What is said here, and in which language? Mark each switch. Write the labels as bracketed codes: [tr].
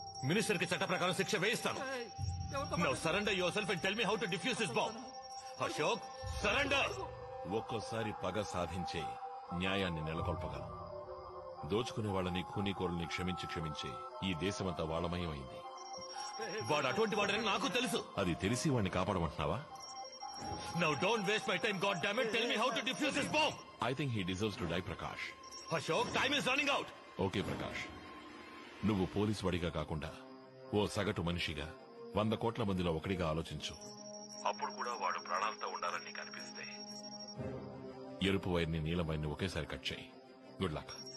[te] Minister కి చట్ట ప్రకారం శిక్ష వేయిస్తాను. [en] Surrender your self and tell me how to defuse this bomb. Ashok, surrender. [te] ఒక్కోసారి పగ సాధించే న్యాయాన్ని నెలకొల్పగలం. దోచుకునే వాళ్ళని, కూనీకోరుల్ని క్షమించి ఈ దేశమంతా వాళ్ళమయం అయింది. వాడు అటువంటి వాడని నాకు తెలుసు. అది తెలిసి వాడిని కాపాడమంటున్నావా? [en] Now don't waste my time, god damn it, tell me how to defuse this bomb. I think he deserves to die, Prakash. Ashok, time is running out. [te] Okay Prakash, నువ్వు పోలీస్ వాడిగా కాకుండా ఓ సగటు మనిషిగా 100 కోట్ల మందిలో ఒకడిగా ఆలోచించు. అప్పుడు కూడా వాడు ప్రాణాలతో ఉండాలని కనిపిస్తే ఎరుపు వైర్ని నీలం వైర్ని ఒకేసారి కట్ చేయి. [en] Good luck.